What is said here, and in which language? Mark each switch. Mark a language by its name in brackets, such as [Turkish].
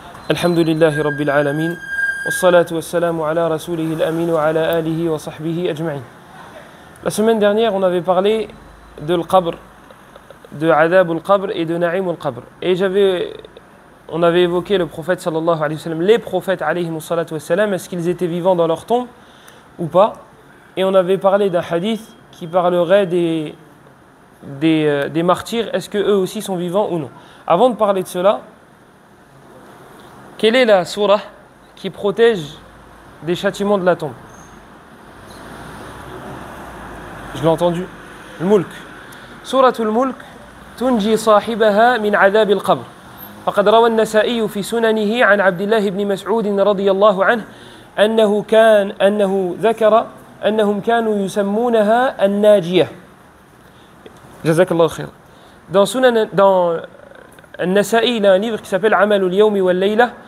[Arabic] الحمد لله رب العالمين، والصلاة والسلام على رسوله الأمين وعلى آله وصحبه أجمعين. [French] La semaine dernière, on avait parlé de l'qabr, de adab al-qabr et de na'im al-qabr. Et on avait évoqué le prophète sallallahu alayhi wa sallam, les prophètes alayhi wa sallatu wa sallam, est-ce qu'ils étaient vivants dans leur tombe ou pas. Et on avait parlé d'un hadith qui parlerait des martyrs, est-ce qu'eux aussi sont vivants ou non. Avant de parler de cela, quelle est la surah qui protège des châtiments de la tombe? Je l'ai entendu. Le mulk. [Arabic] Suratul mulk tunji sahibaha min adab al-qabr. فقد روى النسائي في سننه عن عبد الله بن مسعود رضي الله عنه أنه ذكر أنهم كانوا يسمونها الناجية. جزاك الله خير. [French] Dans Sunan, dans النسائي, il a un livre qui s'appelle عمل اليوم والليلة.